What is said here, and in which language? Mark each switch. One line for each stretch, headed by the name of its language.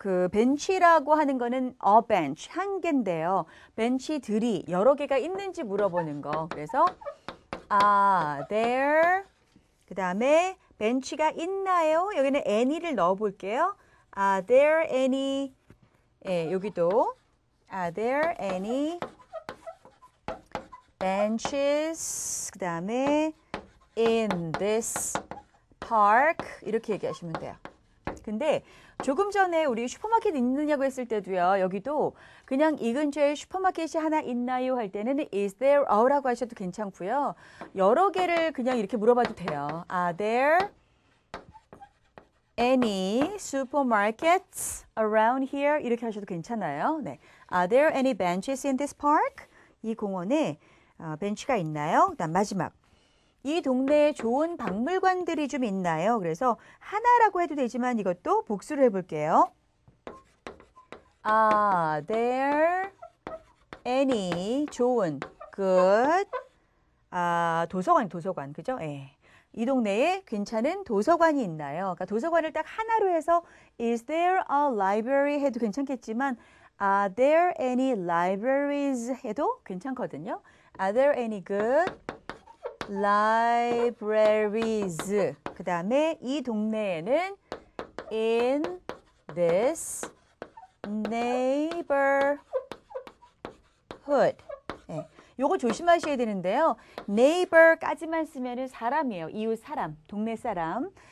Korean: 벤치라고 하는 거는 a bench, 한 개인데요. 벤치들이 여러 개가 있는지 물어보는 거. 그래서,
English: are there,
Korean: 그 다음에 벤치가 있나요? 여기는 any를 넣어 볼게요.
English: are there any,
Korean: 예, 여기도,
English: are there any benches,
Korean: 그 다음에
English: in this park,
Korean: 이렇게 얘기하시면 돼요. 근데 조금 전에 우리 슈퍼마켓 있느냐고 했을 때도요, 여기도 그냥 이 근처에 슈퍼마켓이 하나 있나요? 할 때는
English: is there a
Korean: 라고 하셔도 괜찮고요. 여러 개를 그냥 이렇게 물어봐도 돼요.
English: Are there any supermarkets around here?
Korean: 이렇게 하셔도 괜찮아요. 네.
English: Are there any benches in this park?
Korean: 이 공원에 벤치가 있나요? 그다음 마지막. 이 동네에 좋은 박물관들이 좀 있나요? 그래서 하나라고 해도 되지만 이것도 복수를 해볼게요.
English: Are there any
Korean: 좋은
English: good
Korean: 도서관 도서관 그죠? 예. 이 동네에 괜찮은 도서관이 있나요? 그러니까 도서관을 딱 하나로 해서
English: Is there a library
Korean: 해도 괜찮겠지만
English: Are there any libraries
Korean: 해도 괜찮거든요.
English: Are there any good libraries.
Korean: 그 다음에 이 동네에는
English: in this neighborhood.
Korean: 네. 요거 조심하셔야 되는데요. neighbor까지만 쓰면은 사람이에요. 이웃 사람, 동네 사람.